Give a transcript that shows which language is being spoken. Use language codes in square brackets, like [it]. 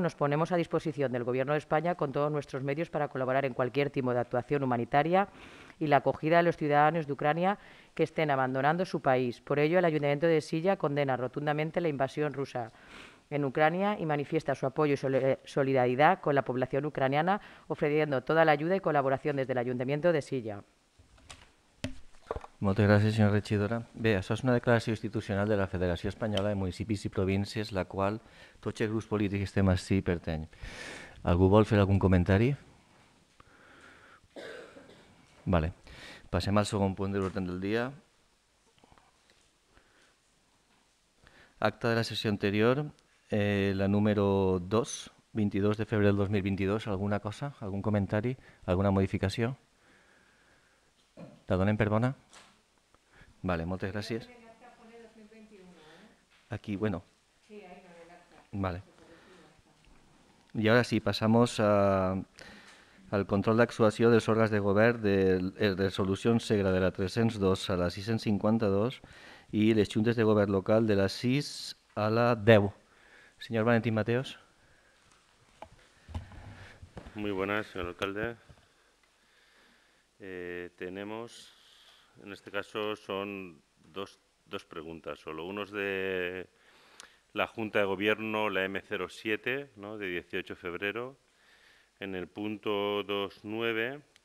[es] Nos ponemos a disposición del Gobierno de España con todos nuestros medios para colaborar en cualquier tipo de actuación humanitaria y la acogida de los ciudadanos de Ucrania que estén abandonando su país. Por ello, el Ayuntamiento de Silla condena rotundamente la invasión rusa en Ucrania y manifiesta su apoyo y solidaridad con la población ucraniana, ofreciendo toda la ayuda y colaboración desde el Ayuntamiento de Silla. [ca] Moltes gràcies, senyora regidora. Bé, això és una declaració institucional de la Federació Espanyola de Municipis i Províncies, la qual tots els grups polítics que estem ací pertany. Algú vol fer algun comentari? Vale. Passem al segon punt de l'ordre del dia. Acta de la sessió anterior, la número 2, 22 de febrer del 2022. Alguna cosa? Algun comentari? Alguna modificació? La donem per bona? Vale, moltes gràcies. Aquí, bueno. Vale. I ara sí, [es] passamos [ca] al control d'actuació dels òrgans de govern de resolució segre de la 302 a la 652 i les juntes de govern local de la 6 a la 10. [es] Señor Valentín Mateos. Muy buenas, señor alcalde. Tenemos, en este caso, son dos preguntas solo. Uno es de la Junta de Gobierno, la M07, ¿no?, de 18 de febrero. En el punto 2.9